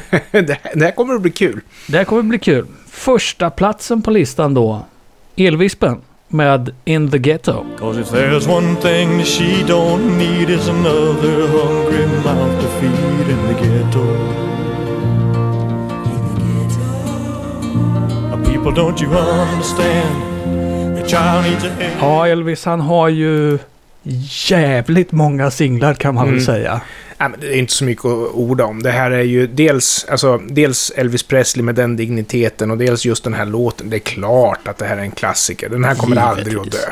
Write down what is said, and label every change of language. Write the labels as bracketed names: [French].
[Swedish] Det här kommer att bli kul. Det här kommer att bli kul. Första platsen på listan då, Elvispen. Med In the Ghetto. [English] 'Cause if there's one thing she don't need is another hungry mouth to feed in the ghetto. In the ghetto. Now people, don't you understand? The child needs a hand. [Swedish] Ja, Elvis, han har ju jävligt många singlar kan man väl säga. Nej, men det är inte så mycket att orda om. Det här är ju dels Elvis Presley med den digniteten och dels just den här låten. Det är klart att det här är en klassiker. Den här kommer aldrig att dö.